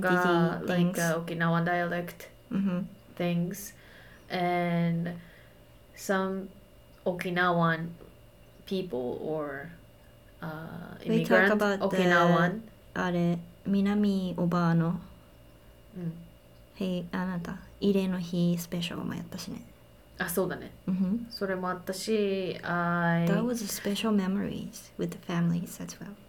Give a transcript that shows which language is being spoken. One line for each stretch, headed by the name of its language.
Japanese: とか,
English: like Okinawa dialect things, and some Okinawan people or immigrant Okinawan.
Japanese: あれ、南おばあの、あなた、慰霊の日スペシャルもやったしね。あ、そうだね。それもあったし、
English: That was a special memories with the families as well.